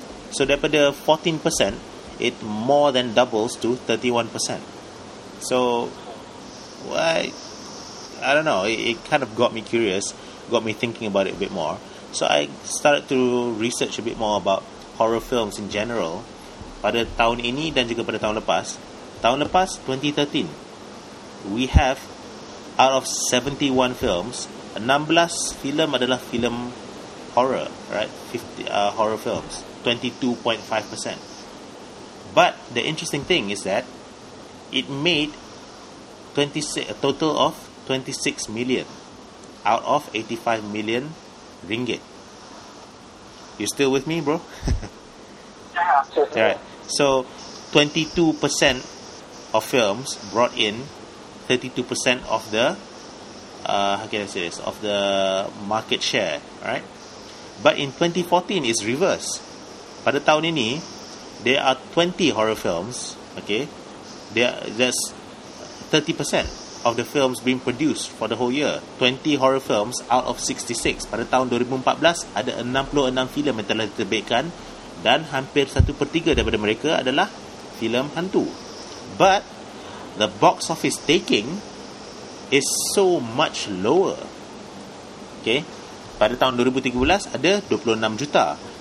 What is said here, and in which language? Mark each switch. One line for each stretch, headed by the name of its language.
English: So
Malay: daripada
English: 14%, it more than doubles to 31%. So I don't know, it kind of got me curious, got me thinking about it a bit more. So I started to research a bit more about horror films in general.
Malay: pada tahun ini dan juga pada tahun lepas. Tahun lepas 2013,
English: we have out of 71 films, 16
Malay: film adalah film
English: horror, right? 50 horror films, 22.5%. But the interesting thing is that it made a total of 26 million out of 85 million ringgit. You still with me, bro? Yeah. All right. So 22% of films brought in 32% of the how can I say this, of the market share, right? But in 2014 it's reverse.
Malay: Pada tahun ini
English: there are 20 horror films, okay? That's 30% of the films being produced for the whole year. 20 horror films out of 66.
Malay: Pada tahun 2014, ada 66 filem yang telah diterbitkan dan hampir 1/3 daripada mereka adalah filem hantu.
English: But the box office taking is so much lower.
Malay: Okay, pada tahun 2013 ada 26 juta.